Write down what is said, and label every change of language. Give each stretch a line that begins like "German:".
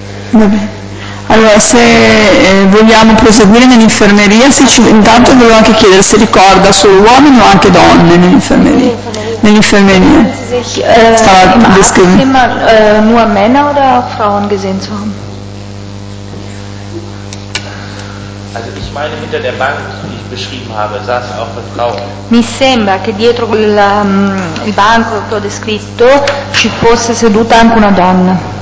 Italian: Vabbè. Allora, se vogliamo proseguire nell'infermeria, se ci, intanto volevo anche chiedere se ricorda solo uomini o anche donne nell'infermeria. Nell'infermeria. Stava descrivendo.
German: Ma nur Männer oder Frauen gesehen zu haben? Also ich meine hinter der Bank, die ich beschrieben habe, saß auch eine Frau.
Italian: Mi sembra che dietro il banco che ho descritto ci fosse seduta anche una donna.